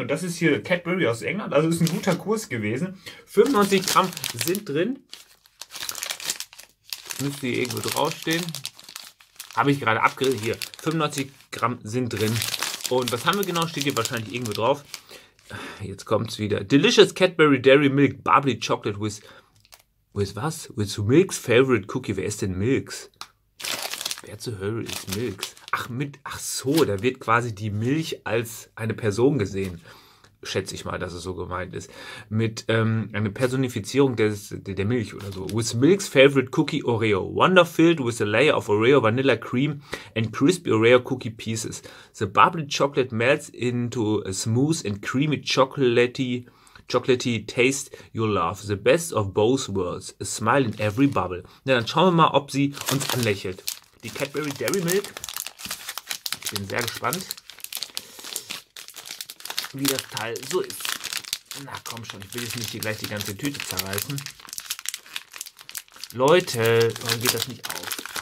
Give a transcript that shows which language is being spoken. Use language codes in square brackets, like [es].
[de] Und das ist hier Cadbury aus England. Also ist ein guter Kurs gewesen. 95 Gramm sind drin. Müsste hier irgendwo draufstehen. Habe ich gerade abgerissen. Hier, 95 Gramm sind drin. Und was haben wir genau? Steht hier wahrscheinlich irgendwo drauf. Jetzt kommt es wieder. [en] Delicious Cadbury Dairy Milk Bubbly Chocolate with was? With Milk's Favorite Cookie. [de] Wer ist denn Milk's? Wer zur Hölle ist Milk's? Ach so, da wird quasi die Milch als eine Person gesehen. Schätze ich mal, dass es so gemeint ist. Mit einer Personifizierung der Milch oder so. [en] With Milk's Favorite Cookie Oreo. Wonder filled with a layer of Oreo Vanilla Cream and crispy Oreo Cookie Pieces. The bubbly chocolate melts into a smooth and creamy chocolatey taste you'll love. The best of both worlds. A smile in every bubble. [de] Na, dann schauen wir mal, ob sie uns anlächelt. Die Cadbury Dairy Milk. Ich bin sehr gespannt, wie das Teil so ist. Na komm schon, ich will jetzt nicht hier gleich die ganze Tüte zerreißen. Leute, warum geht das nicht auf?